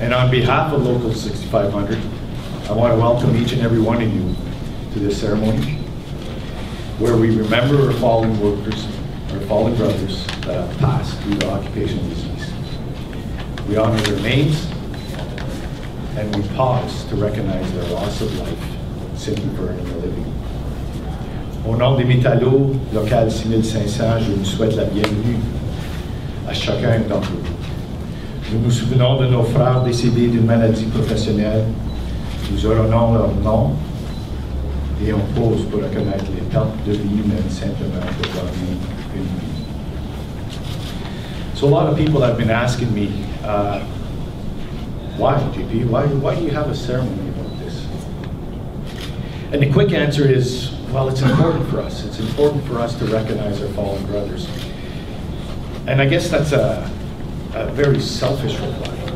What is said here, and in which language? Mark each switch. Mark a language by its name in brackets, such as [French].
[English] And on behalf of Local 6500, I want to welcome each and every one of you to this ceremony, where we remember our fallen workers, our fallen brothers that have passed due to occupational disease. We honor their names, and we pause to recognize their loss of life simply for earning a living. [French] Au nom des métallos, local 6500, je vous souhaite la bienvenue à chacun d'entre vous. Nous nous souvenons de nos frères décédés d'une maladie professionnelle. Nous honorons leur nom. Et on pose pour reconnaître l'étape de vie, même simplement pour gagner une vie. [English] So a lot of people have been asking me, why, JP, why do you have a ceremony about this? And the quick answer is, well, it's important for us. It's important for us to recognize our fallen brothers. And I guess that's a very selfish reply.